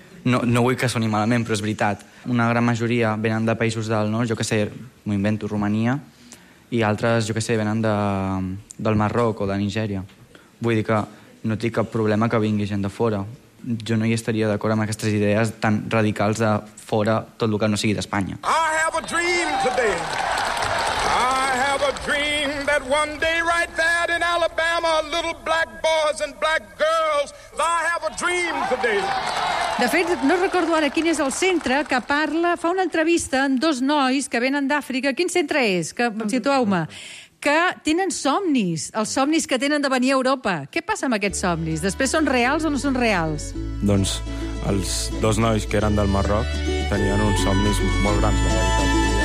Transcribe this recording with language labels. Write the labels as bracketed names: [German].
[Catalan] No vull que soni malament, però és veritat. Una gran majoria venen de països del nord, jo que sé, m'ho invento, Romania... i altres, jo què sé, venen del Marroc o de Nigèria. Vull dir que no tinc cap problema que vingui gent de fora. Jo no hi estaria d'acord amb aquestes idees tan radicals de fora tot el que no sigui d'Espanya. [English] I have a dream today. I have a dream that one day right there in Alabama little black boys and black girls, I have a dream today. [Catalan] De fet, no recordo ara quin és el centre que parla, fa una entrevista amb dos nois que venen d'Àfrica. Quin centre és? Situeu-me. Que tenen somnis, els somnis que tenen de venir a Europa. Què passa amb aquests somnis? Després són reals o no són reals? Doncs els dos nois que eren del Marroc tenien uns somnis molt grans.